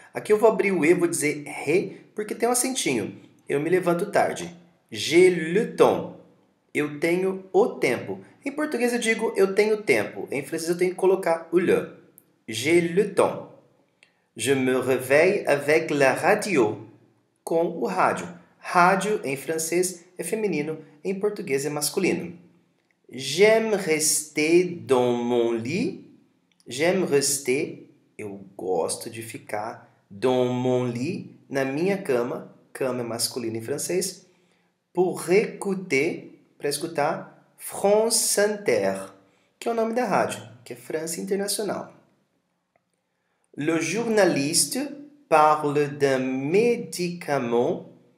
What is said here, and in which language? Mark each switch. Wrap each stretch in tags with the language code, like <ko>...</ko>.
<pt>Aqui eu vou abrir o E, vou dizer ré, porque tem um acentinho. Eu me levanto tarde.</pt> <fr>J'ai le temps.</fr> <pt>Eu tenho o tempo. Em português eu digo eu tenho tempo. Em francês eu tenho que colocar o le.</pt> <fr>J'ai le temps. Je me réveille avec la radio.</fr> <pt>Com o rádio. Rádio em francês é feminino. Em português é masculino.</pt> <fr>J'aime rester dans mon lit. J'aime rester.</fr> <pt>Eu gosto de ficar</pt> <fr>dans mon lit.</fr> <pt>Na minha cama. Cama é masculino em francês.</pt> <fr>Pour écouter.</fr> <pt>Para escutar France Inter, que é o nome da rádio, que é França Internacional.</pt> <fr>Le journaliste parle d'un médicament.</fr>